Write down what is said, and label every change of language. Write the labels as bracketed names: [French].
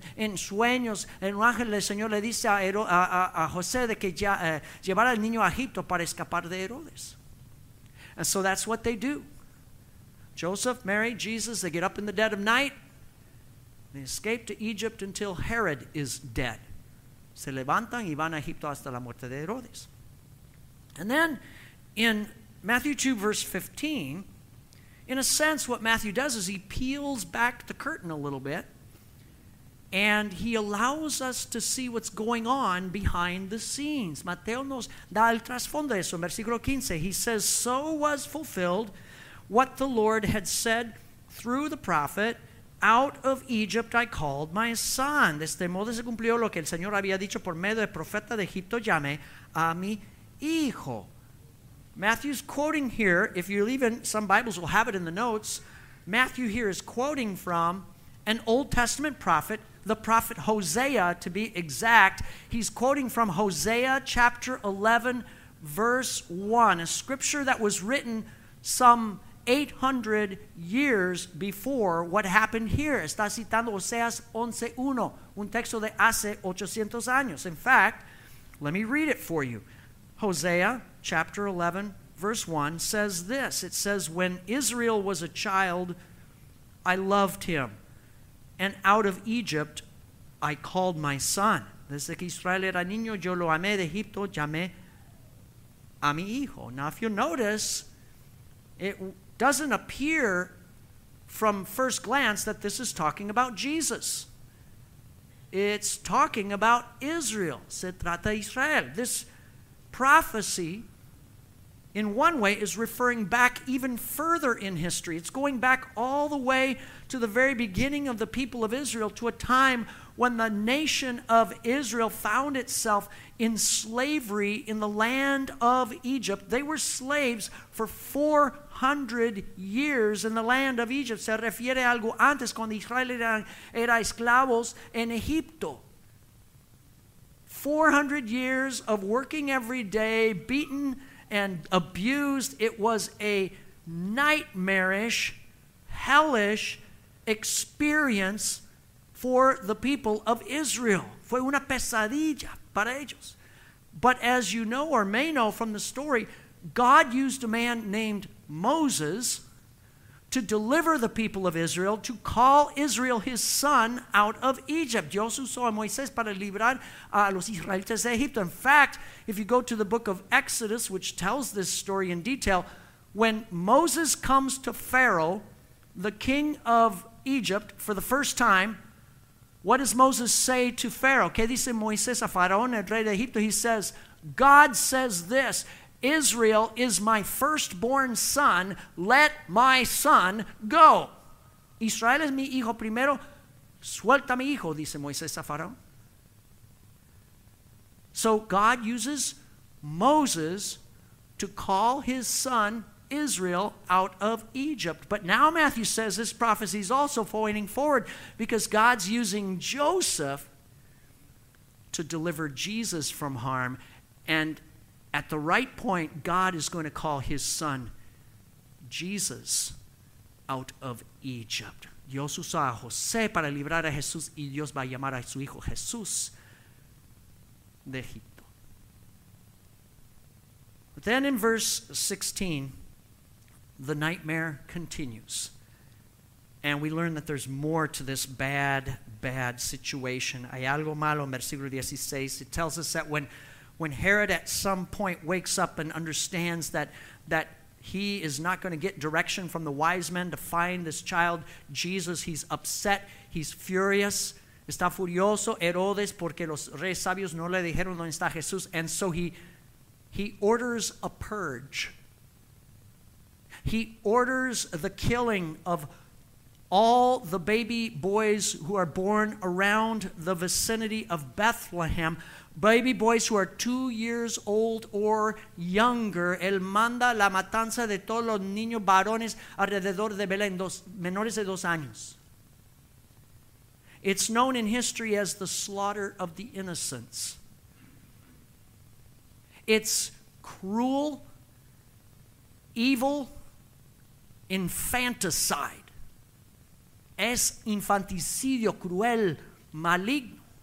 [Spanish] And in sueños, el ángel del Señor le dice a José de que ya, llevara al niño a Egipto para escapar de Herodes. [English] And so that's what they do. Joseph, Mary, Jesus, they get up in the dead of night. They escape to Egypt until Herod is dead. [Spanish] Se levantan y van a Egipto hasta la muerte de Herodes. [English] And then in Matthew 2, verse 15, in a sense what Matthew does is he peels back the curtain a little bit and he allows us to see what's going on behind the scenes. [Spanish] Mateo nos da el trasfondo de eso. En versículo 15, [English] he says, so was fulfilled what the Lord had said through the prophet, out of Egypt I called my son. [Spanish] De este modo se cumplió lo que el Señor había dicho por medio del profeta de Egipto, llamé a mi hijo. [English] Matthew's quoting here, if you're leaving, some Bibles will have it in the notes. Matthew here is quoting from an Old Testament prophet, the prophet Hosea, to be exact. He's quoting from Hosea chapter 11, verse 1, a scripture that was written some 800 years before what happened here. [Spanish] Está citando Oseas 11:1, un texto de hace 800 años. [English] In fact, let me read it for you. Hosea chapter 11, verse 1 says this. It says, when Israel was a child, I loved him, and out of Egypt, I called my son. [Spanish] Desde que Israel era niño, yo lo amé de Egipto, llamé a mi hijo. [English] Now, if you notice, it doesn't appear from first glance that this is talking about Jesus. It's talking about Israel. [Spanish] Se trata de Israel. [English] This prophecy, in one way, is referring back even further in history. It's going back all the way to the very beginning of the people of Israel, to a time when the nation of Israel found itself in slavery in the land of Egypt. They were slaves for 400 years in the land of Egypt. [Spanish] Se refiere a algo antes, cuando Israel era esclavos en Egipto. [English] 400 years of working every day, beaten and abused. It was a nightmarish, hellish experience for the people of Israel. [Spanish] Fue una pesadilla para ellos. [English] But as you know or may know from the story, God used a man named Moses to deliver the people of Israel, to call Israel his son out of Egypt. [Spanish] Dios usó a Moisés para liberar a los israelitas de Egipto. [English] In fact, if you go to the book of Exodus, which tells this story in detail, when Moses comes to Pharaoh, the king of Egypt, for the first time, what does Moses say to Pharaoh? [Spanish] ¿Qué dice Moisés a Faraón, el rey de Egipto? [English] He says, God says this, Israel is my firstborn son, let my son go. [Spanish] Israel es mi hijo primero, suelta mi hijo, dice Moisés a Faraón. [English] So God uses Moses to call his son Israel out of Egypt. But now Matthew says this prophecy is also pointing forward because God's using Joseph to deliver Jesus from harm. And at the right point, God is going to call his son Jesus out of Egypt. [Spanish] Dios usa a José para librar a Jesús y Dios va a llamar a su hijo Jesús de Egipto. [English] But then in verse 16, the nightmare continues. And we learn that there's more to this bad, bad situation. [Spanish] Hay algo malo en versículo 16. [English] It tells us that when Herod at some point wakes up and understands that he is not going to get direction from the wise men to find this child, Jesus, he's upset, he's furious. [Spanish] Está furioso Herodes porque los reyes sabios no le dijeron dónde está Jesús. [English] And so he orders a purge. He orders the killing of all the baby boys who are born around the vicinity of Bethlehem, baby boys who are 2 years old or younger. [Spanish] Él manda la matanza de todos los niños varones alrededor de Belén, menores de 2 años. [English] It's known in history as the slaughter of the innocents. It's cruel, evil, infanticide. [Spanish] Es infanticidio cruel, maligno.